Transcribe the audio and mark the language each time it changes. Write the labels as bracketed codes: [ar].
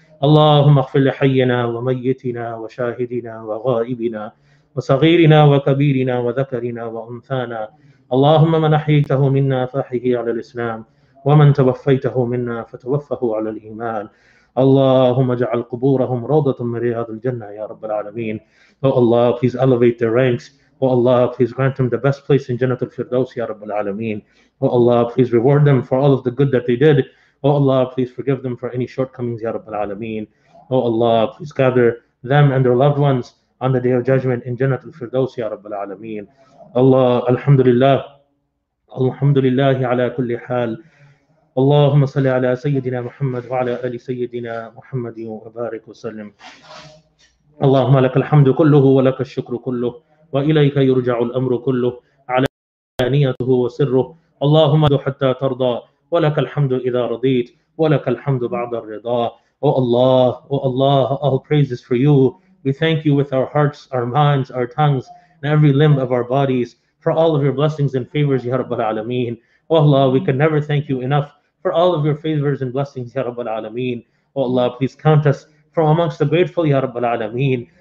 [ar] اللهم اغفر لحينا وميتنا وشاهدنا وغائبنا وصغيرنا وكبيرنا وذكرنا وأنثانا اللهم من أحييته منا فأحيه على الإسلام ومن توفيته منا فتوفه على الإيمان اللهم اجعل قبورهم روضة من رياض الجنة يا رب العالمين. [en] Oh Allah, please elevate their ranks. Oh Allah, please grant them the best place in Jannat al-Firdaus ya rab al-alamin. Oh Allah, please reward them for all of the good that they did. Oh Allah, please forgive them for any shortcomings ya rab al-alamin. Oh Allah, please gather them and their loved ones on the day of judgment in Jannat al-Firdaus ya rab al-alamin. [ar] Allah, alhamdulillah. Alhamdulillah ala kulli hal. اللهم صل على سيدنا محمد وعلى آل سيدنا محمد وبارك وسلم اللهم لك الحمد كله ولك الشكر كله وإليك يرجع الأمر كله على أنيته وسره اللهم ادعو حتى ترضى ولك الحمد إذا رضيت ولك الحمد بعد الرضا [en] Oh Allah, all praises for you. We thank you with our hearts, our minds, our tongues, and every limb of our bodies for all of your blessings and favors, Ya Rabbal Alameen. Oh Allah, we can never thank you enough for all of your favors and blessings, Ya Rabbal Alameen. Oh Allah, please count us from amongst the grateful, Ya Rabbal Alameen.